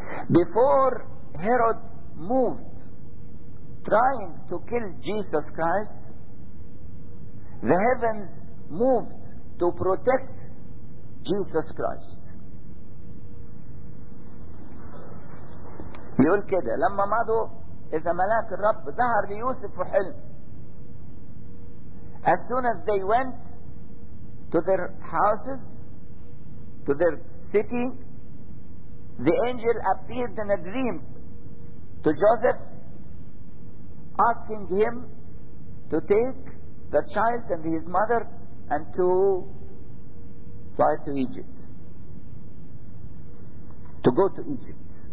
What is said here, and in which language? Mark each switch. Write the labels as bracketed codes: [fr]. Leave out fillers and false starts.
[en] Before Herod moved, trying to kill Jesus Christ, the heavens moved to protect Jesus Christ. [ar] يقول كده لما مضوا إذا ملاك الرب ظهر ليوسف في حلم. [en] As soon as they went to their houses, to their city, the angel appeared in a dream to Joseph, asking him to take the child and his mother and to fly to Egypt, to go to Egypt.